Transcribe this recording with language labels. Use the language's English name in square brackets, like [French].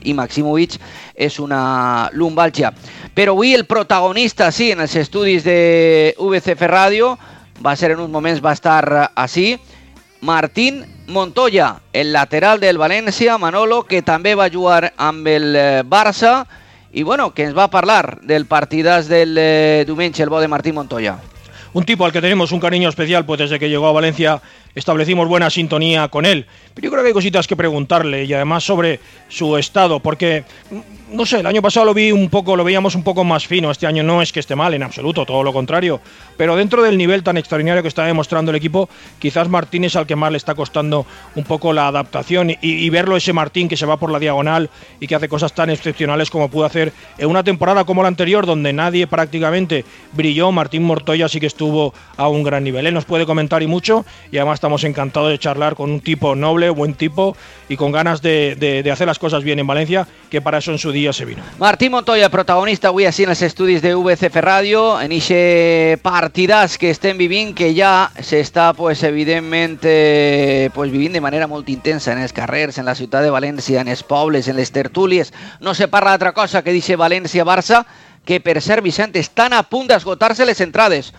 [Catalan] I Maximovic és una lumbàlgia. Però avui el protagonista, sí, en els estudis de VCF Ràdio, va a ser en uns moments, va estar així, Martín Montoya, el lateral del València, Manolo, que també va jugar amb el Barça, i bueno, que ens va parlar del partidàs del diumenge, el bo de Martín Montoya. [Spanish] Un tipo al que tenemos un cariño especial, pues desde que llegó a Valencia establecimos buena sintonía con él. Pero yo creo que hay cositas que preguntarle, y además sobre su estado, porque, no sé, el año pasado lo veíamos un poco más fino. Este año no es que esté mal, en absoluto, todo lo contrario. Pero dentro del nivel tan extraordinario que está demostrando el equipo, quizás Martín es al que más le está costando un poco la adaptación, y verlo ese Martín que se va por la diagonal y que hace cosas tan excepcionales como pudo hacer en una temporada como la anterior, donde nadie prácticamente brilló. Martín Montoya sí que estuvo a un gran nivel. Él nos puede comentar y mucho, y además estamos encantados de charlar con un tipo noble, buen tipo y con ganas de hacer las cosas bien en Valencia, que para eso en su día se vino. [Catalan] Martín Montoya, protagonista avui así en els estudis de VCF Ràdio, en ixe partidàs que estem vivint, que ja s'està, pues, evidentment, pues, vivint de manera molt intensa en els carrers, en la ciutat de València, en els pobles, en les tertúlies. No se parla d'altra cosa que [Spanish] dice [Catalan] València-Barça, que per ser, Vicent, estan a punt d'esgotar-se les entrades.